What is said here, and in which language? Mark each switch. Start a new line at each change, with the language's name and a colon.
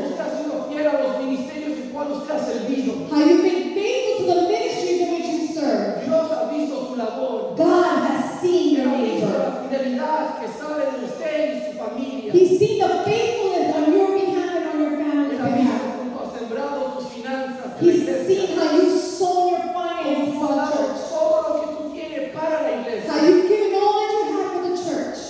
Spanish: Como tú has sido fiel a los ministerios en cuales tú has servido.
English: How you've been faithful to the ministries in which you serve.
Spanish: Dios ha visto tu labor.
English: God has seen your labor.
Spanish: La fidelidad que sale de usted y su familia.
English: He's seen the faithfulness on your behalf and on your family's behalf.
Spanish: Él ha visto cómo has sembrado tus finanzas.
English: He's seen how you sown your finances.
Spanish: Cómo has dado todo lo que tú tienes para la iglesia.
English: How you've given all that you have for the church.